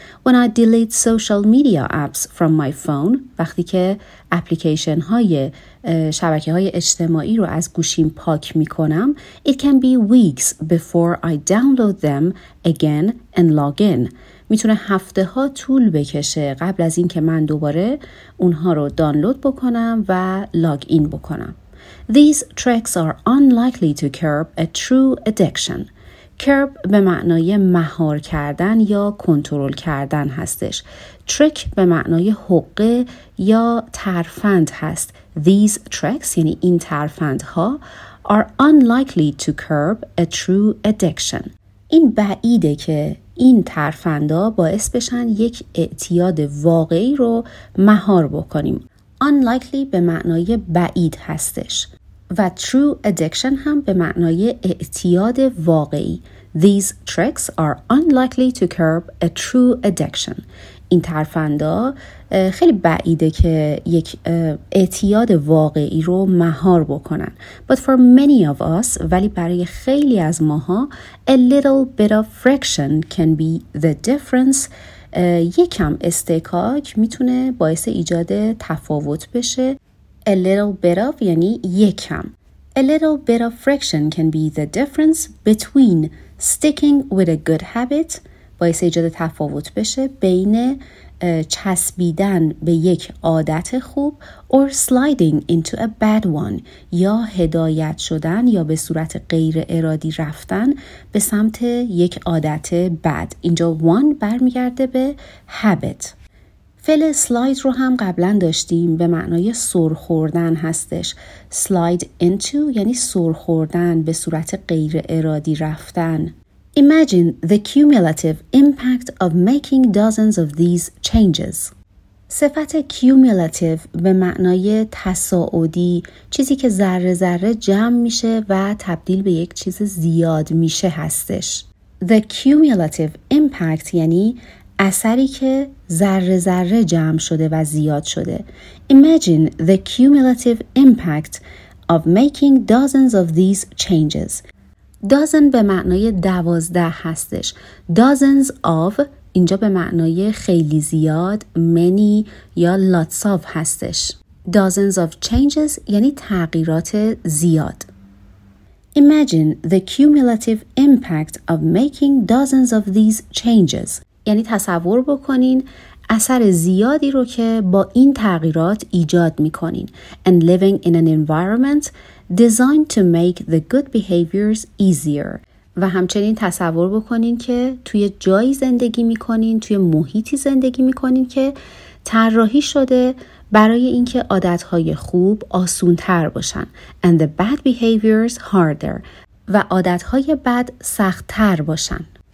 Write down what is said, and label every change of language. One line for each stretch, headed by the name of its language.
English: When I delete social media apps from my phone،
Persian: وقتی که اپلیکیشن های شبکه های اجتماعی رو از گوشیم پاک میکنم،
English: it can be weeks before I download them again and log in.
Persian: میتونه هفته ها طول بکشه قبل از این که من دوباره اونها رو دانلود بکنم و لاگ این بکنم.
English: These tricks are unlikely to curb a true addiction.
Persian: Curb به معنای مهار کردن یا کنترل کردن هستش. Trick به معنای حقه یا ترفند هست.
English: These tricks
Persian: یعنی این ترفند ها
English: are unlikely to curb a true addiction.
Persian: این بعیده که این ترفندا باعث بشن یک اعتیاد واقعی رو مهار بکنیم. Unlikely به معنای بعید هستش. و true addiction هم به معنای اعتیاد واقعی.
English: These tricks are unlikely to curb a true addiction.
Persian: این ترفندا خیلی بعیده که یک اعتیاد واقعی رو مهار بکنن.
English: But for many of us،
Persian: ولی برای خیلی از ماها،
English: a little bit of friction can be the difference.
Persian: یکم استکاک میتونه باعث ایجاد تفاوت بشه.
English: A little bit of
Persian: یعنی یکم.
English: A little bit of friction can be the difference between sticking with a good habit،
Persian: باعث ایجاد تفاوت بشه بین چسبیدن به یک عادت خوب،
English: or sliding into a bad one،
Persian: یا هدایت شدن یا به صورت غیر ارادی رفتن به سمت یک عادت بد. اینجا one برمیگرده به habit. فعل slide رو هم قبلا داشتیم، به معنای سر خوردن هستش. Slide into یعنی سر خوردن، به صورت غیر ارادی رفتن.
English: Imagine the cumulative impact of making dozens of these changes.
Persian: صفت cumulative به معنای تصاعدی، چیزی که ذره ذره جمع میشه و تبدیل به یک چیز زیاد میشه هستش. The cumulative impact یعنی اثری که ذره ذره جمع شده و زیاد شده.
English: Imagine the cumulative impact of making dozens of these changes.
Persian: Dozen به معنای دوازده هستش. Dozens of اینجا به معنای خیلی زیاد، many یا lots of هستش. Dozens of changes یعنی تغییرات زیاد.
English: Imagine the cumulative impact of making dozens of these changes.
Persian: یعنی تصور بکنین اثر زیادی رو که با این تغییرات ایجاد میکنین.
English: And living in an environment designed to make the good behaviors easier.
Persian: و همچنین تصور بکنین که توی جایی زندگی میکنین، توی محیطی زندگی میکنین که طراحی شده برای اینکه عادتهای خوب آسونتر باشن.
English: And the bad behaviors harder.
Persian: و عادتهای بد سختتر باشن.